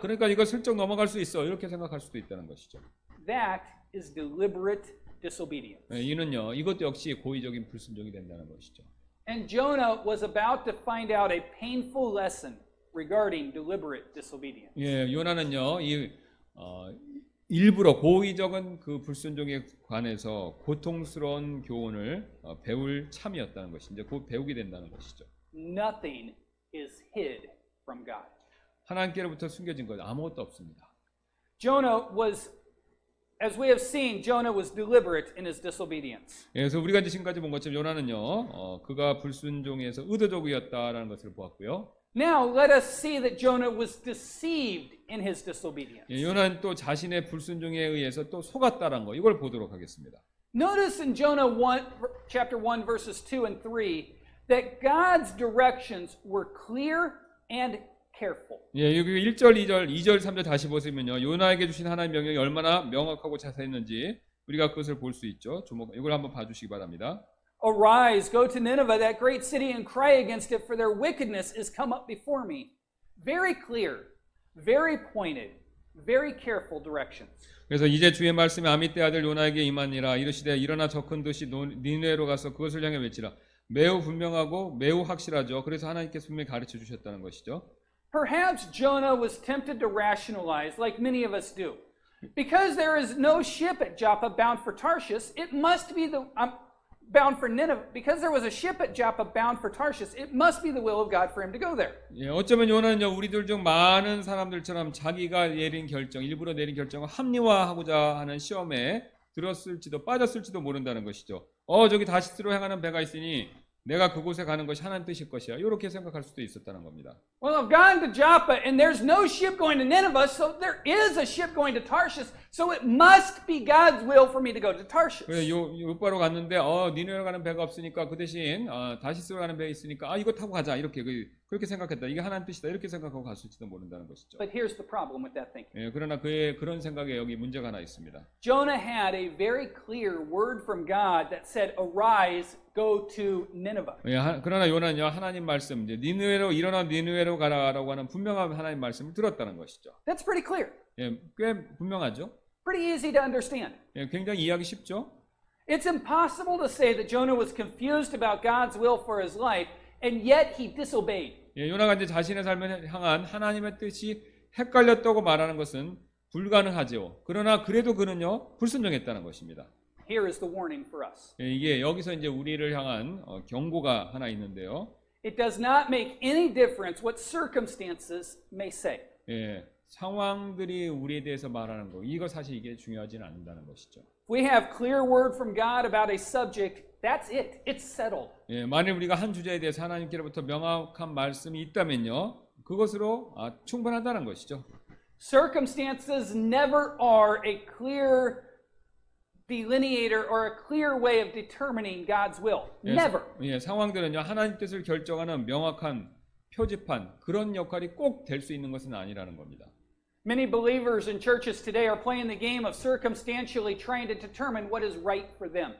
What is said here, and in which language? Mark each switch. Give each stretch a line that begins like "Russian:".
Korean: 그러니까 이거 슬쩍 넘어갈 수 있어. 이렇게 생각할 수도 있다는 것이죠.
English: That is deliberate disobedience.
Korean: 예, 이는요. 이것도 역시 고의적인 불순종이 된다는 것이죠.
English: And Jonah was about to find out a painful lesson regarding deliberate disobedience.
Korean: 예, 요나는요. 이 일부러 고의적인 그 불순종에 관해서 고통스러운 교훈을 배울 참이었다는 것이죠. 곧 배우게 된다는 것이죠.
English: Nothing is hid from God.
Korean: 하나님께로부터 숨겨진 것 아무것도 없습니다.
English: Jonah was As we have seen, Jonah was deliberate in his disobedience.
Korean: 예, 그래서 우리가 지금까지 본 것처럼 요나는요, 그가 불순종해서 의도적이었다라는 것을 보았고요.
English: Now let us see that Jonah was deceived in his disobedience.
Korean: 예, 요나는 또 자신의 불순종에 의해서 또 속았다라는 거 이걸 보도록 하겠습니다.
English: Notice in Jonah 1:1 verses 2 and 3 that God's directions were clear and careful.
Korean: 예, 1절, 2절, 2절, 3절 다시 보시면요. 요나에게 주신 하나님의 명령이 얼마나 명확하고 자세했는지 우리가 그것을 볼 수 있죠. 이걸 한번 봐주시기 바랍니다.
English: Arise, go to Nineveh, that great city, and cry against it, for their wickedness is come up before me. Very clear, very pointed, very careful directions.
Korean: 그래서 이제 주의 말씀이 아미떼 아들 요나에게 임하니라 이르시되 일어나 적은 듯이 니느웨로 가서 그것을 향해 외치라. 매우 분명하고 매우 확실하죠. 그래서 하나님께서 분명히 가르쳐 주셨다는 것이죠.
English: Perhaps Jonah was tempted to rationalize like many of us do. Because there is no ship at Joppa bound for Tarshish, it must be the bound for Nineveh. Because there was a ship at Joppa bound for Tarshish, it must be the will of God for him to go there.
Korean: 예, 어쩌면 요나는요, 우리들 중 많은 사람들처럼 자기가 내린 결정, 일부러 내린 결정을 합리화하고자 하는 시험에 들었을지도 빠졌을지도 모른다는 것이죠. 어, 저기 다시스로 향하는 배가 있으니 내가 그곳에 가는 것이 하나님 뜻일 것이야. 이렇게 생각할 수도 있었다는 겁니다.
English: Well, I've gone to Joppa and there's no ship going to Nineveh, so there is a ship going to Tarshish, so it must be God's will for me to go to Tarshish.
Korean: 그래, 요바로 갔는데 어, 니느웨로 가는 배가 없으니까 그 대신 어, 다시스로 가는 배가 있으니까 아, 이거 타고 가자. 이렇게 그렇게 생각했다. 이게 하나님 뜻이다. 이렇게 생각하고 갔을지도 모른다는 것이죠.
English: But here's the problem with that thinking.
Korean: 예, 그러나 그의 그런 생각에 여기 문제가 하나 있습니다.
English: Jonah had a very clear word from God that said, "Arise, go to Nineveh."
Korean: 예, 그러나 요나는요, 하나님 말씀, 이제 니느웨로 일어나 니느웨로 가라라고 하는 분명한 하나님 말씀을 들었다는 것이죠.
English: That's pretty clear.
Korean: 예, 꽤 분명하죠.
English: Pretty easy to understand.
Korean: 예, 굉장히 이해하기 쉽죠.
English: It's impossible to say that Jonah was confused about God's will for his life. And yet he disobeyed.
Korean: 예, 요나가 이제 자신의 삶을 향한 하나님의 뜻이 헷갈렸다고 말하는 것은 불가능하죠. 그러나 그래도 그는요 불순종했다는 것입니다.
English: Here is the warning for us.
Korean: 예, 이게 여기서 이제 우리를 향한 어, 경고가 하나 있는데요.
English: It does not make any difference what circumstances may say.
Korean: 예, 상황들이 우리에 대해서 말하는 거. 이거 사실 이게 중요하지는 않는다는 것이죠.
English: We have clear word from God about a subject. That's it. It's settled.
Korean: 예, 만일 우리가 한 주제에 대해 하나님께로부터 명확한 말씀이 있다면요, 그것으로 아, 충분하다는 것이죠.
English: Circumstances never are a clear delineator or a clear way of determining God's will. Never.
Korean: 예, 상황들은요 하나님 뜻을 결정하는 명확한 표지판 그런 역할이 꼭 될 수 있는 것은 아니라는 겁니다.
English: Many believers in churches today are playing the game of circumstantially trying to determine what is right for them.